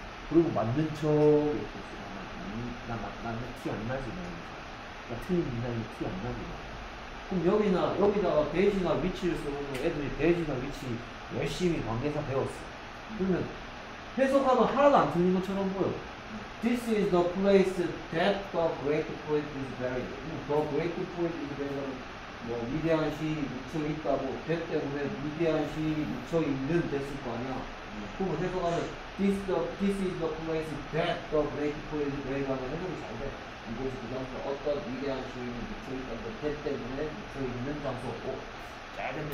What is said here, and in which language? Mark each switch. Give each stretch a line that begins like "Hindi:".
Korean: 그리고 맞는 척 이렇게 써놔요. 티 안 나지. 나 틀린 인상이 티 안 나지. 그럼 여기나 여기다가 대지나 위치를 써놓으면 애들이 대지나 위치 열심히 관계사 배웠어. 그러면 해석하면 하나도 안 틀린 것처럼 보여.
English: This is the place that the great poet is buried. The great poet is buried.
Korean: 뭐 위대한 시인이 묻혀 있다고 that 때문에 위대한 시인이 묻혀 있는 됐을 거 아니야. 그럼 해석하면
English: this is the place that the great poet is buried
Korean: 하면 해석이 잘 돼. 이곳이 그 장소 어떤 위대한 시인이 묻혀있던 배 때문에 묻혀있는 장소고 잘 됐네.